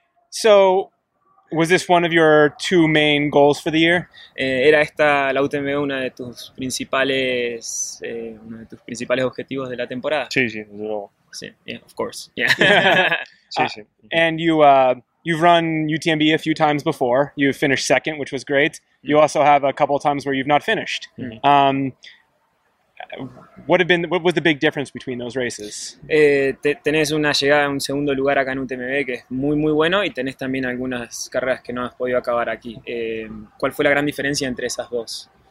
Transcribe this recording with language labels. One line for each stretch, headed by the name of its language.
English: So was this one of your two main goals for the year?
Spanish: Era esta la UTMB uno de tus principales objetivos de la temporada. Sí, desde luego.
English: Sí, yeah, of course. Yeah.
Spanish: Sí.
English: And you you've run UTMB a few times before. You finished second, which was great. Mm-hmm. You also have a couple of times where you've not finished. Mm-hmm. What was the big difference between those races?
Spanish: Tenés una llegada a un segundo lugar acá en UTMB que es muy muy bueno y tenés también algunas carreras que no has podido acabar aquí. ¿Cuál fue la gran diferencia entre esas dos?